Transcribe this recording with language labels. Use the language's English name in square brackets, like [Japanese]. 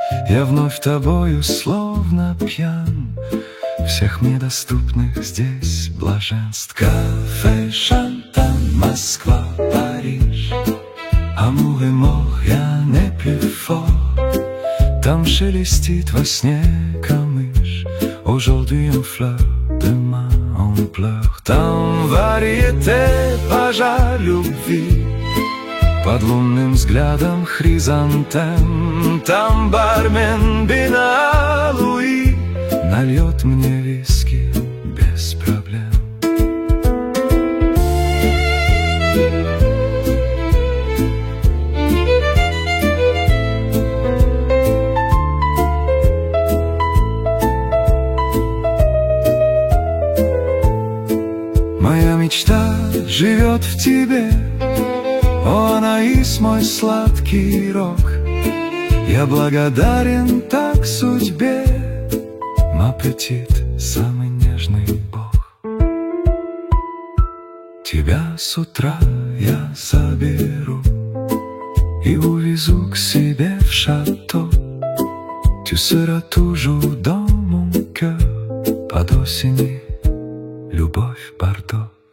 [Russian] Я вновь тобою словно пьян. Всех мне доступных здесь блаженств. [French] Café Chantant, Москва, Париж. Amour et mort, [Russian] я не [French] plus fort. [Russian] Там шелестит во сне камыш. [French] Aujourd'hui en fleur, demain en pleur. [Russian] Там variété, пожар любви. Под лунным взглядом хризантем. Там бармен Бен-Алуи нальет мне виски без проблем. Моя мечта живет в тебе, о, Анаис, мой сладкий рок. Я благодарен так судьбе. Аппетит, самый нежный бог. Тебя с утра я заберу и увезу к себе в шато. [French] Tu seras toujours dans mon cœur. [Russian] Под осенью любовь Бордо.